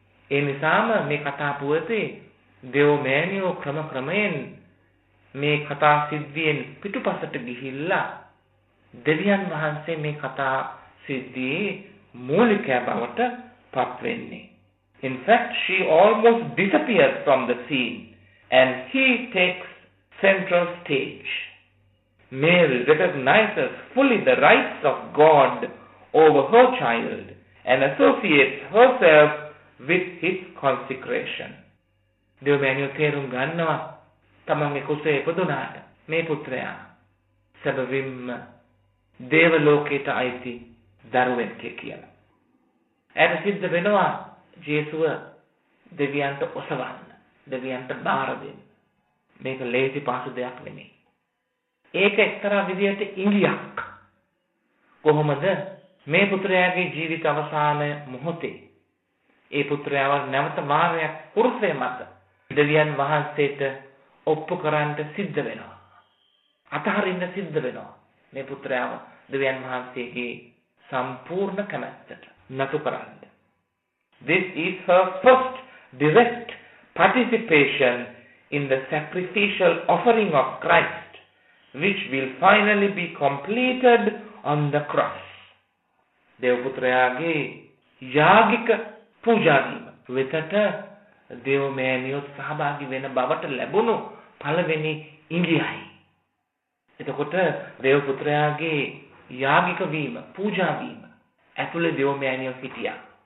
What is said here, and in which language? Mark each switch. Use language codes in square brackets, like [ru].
[si] ඒ නිසාම මේ කතා පුවතේ දෙවමෑණියෝ ක්‍රම ක්‍රමයෙන් මේ කතා සිද්ධියෙන් පිටුපසට ගිහිල්ලා දෙවියන් වහන්සේ මේ කතා සිද්ධියේ මූලිකයා බවට පත් වෙන්නේ. [en] In fact, she almost disappears from the scene and he takes central stage. Mary recognizes fully the rights of God over her child and associates herself with his consecration. [si] දෙව මෑණියෝ තේරුම් ගන්නවා තමන්ගේ කුසේ පුදුනාට මේ පුත්‍රයා සැබවින්ම දේව ලෝකයට අයිති දරුවෙක් කියලා. ඇයට සිද්ධ වෙනවා ජේසුව දෙවියන්ට ඔසවන්න, දෙවියන්ට බාර දෙන්න. මේක ලේසි පහසු දෙයක් නෙමෙයි. ඒක එක්තරා විදිහට ඉඟියක්. කොහොමද මේ පුත්‍රයාගේ ජීවිත අවසාන මොහොතේ ඒ පුත්‍රයාව නැවත මාරයක් කුරුසය මත දෙවියන් වහන්සේට ඔප්පු කරන්න සිද්ධ වෙනවා, අතහරින්න සිද්ධ වෙනවා මේ පුත්‍රයාව දෙවියන් වහන්සේගේ සම්පූර්ණ කැමැත්තට නතු කරන්න? [en] This is her first direct participation in the sacrificial offering of Christ, which will finally be completed on the cross. [si] දේව පුත්‍රයාගේ යාගික පූජාදීම වෙතට දේව මෑණියෝ සහභාගී වෙන බවට ලැබුණු පළවෙනි ඉඟියයි. එතකොට දේව පුත්‍රයාගේ යාගික වීම, පූජාදීම ඇතුළේ දේව මෑණියෝ සිටියා.